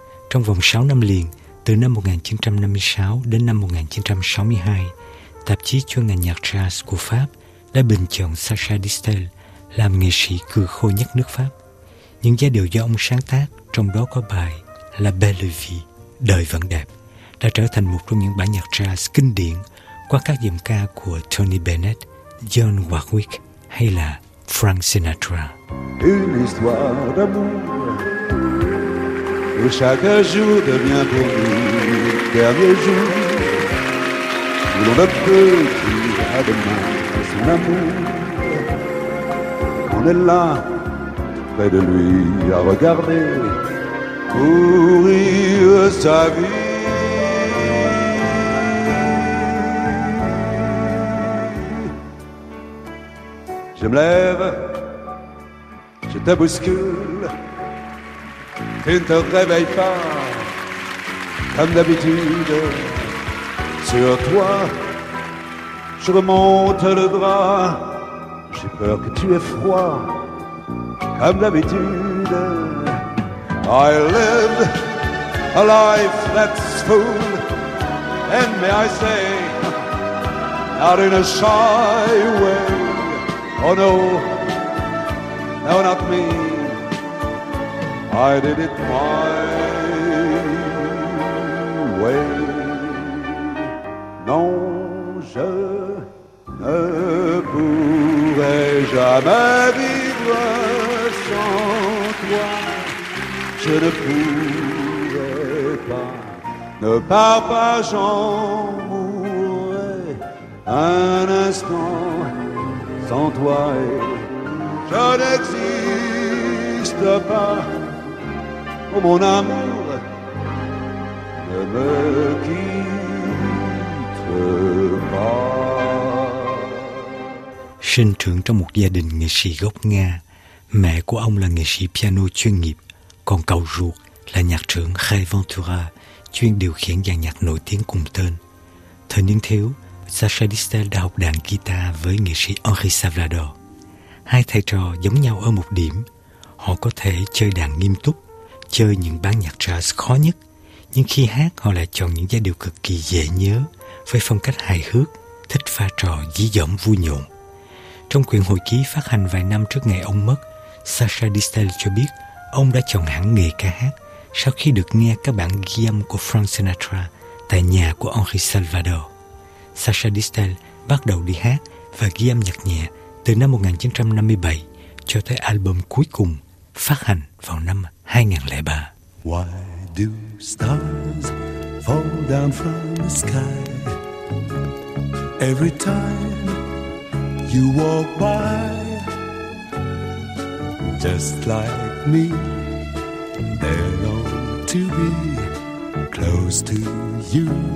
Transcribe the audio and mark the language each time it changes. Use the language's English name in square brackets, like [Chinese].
[Vietnamese] Trong vòng 6 năm liền, từ năm 1956 đến năm 1962, tạp chí chuyên ngành nhạc jazz của Pháp đã bình chọn Sasha Distel làm nghệ sĩ cừ khôi nhất nước Pháp. Những giai điệu do ông sáng tác, trong đó có bài La Belle Vie, Đời Vẫn Đẹp, đã trở thành một trong những bản nhạc jazz kinh điển qua các giọng ca của Tony Bennett, John Warwick hay là Frank Sinatra. [French] Une histoire d'amour où chaque jour devient pour nous le dernier jour où l'on ne peut plus à demain son amour. On est là près de lui à regarder courir sa vie. Je me lève, je te bouscule, tu ne te réveilles pas, comme d'habitude. Sur toi, je remonte le drap, j'ai peur que tu aies froid, comme d'habitude. [English] I live a life that's full, and may I say, not in a shy way. Oh no, no, not me, I did it my way. [French] Non, je ne pourrai jamais vivre sans toi. Je ne pourrai pas, ne pars pas, j'en mourrai un instant. Sans toi, je n'existe pas. Oh mon amour, ne me quitte pas. [Vietnamese] Sinh trưởng trong một gia đình nghệ sĩ gốc Nga, mẹ của ông là nghệ sĩ piano chuyên nghiệp, còn cậu ruột là nhạc trưởng Khai Ventura, chuyên điều khiển dàn nhạc nổi tiếng cùng tên. Thời niên thiếu, Sacha Distel đã học đàn guitar với nghệ sĩ Henri Salvador. Hai thầy trò giống nhau ở một điểm: họ có thể chơi đàn nghiêm túc, chơi những bản nhạc jazz khó nhất, nhưng khi hát họ lại chọn những giai điệu cực kỳ dễ nhớ với phong cách hài hước, thích pha trò dí dỏm vui nhộn. Trong quyển hồi ký phát hành vài năm trước ngày ông mất, Sacha Distel cho biết ông đã chọn hẳn nghề ca hát sau khi được nghe các bản ghi âm của Frank Sinatra tại nhà của Henri Salvador. Sacha Distel bắt đầu đi hát và ghi âm nhạc nhẹ từ năm 1957 cho tới album cuối cùng phát hành vào năm 2003. [English] Why do stars fall down from the sky every time you walk by? Just like me, they long to be close to you.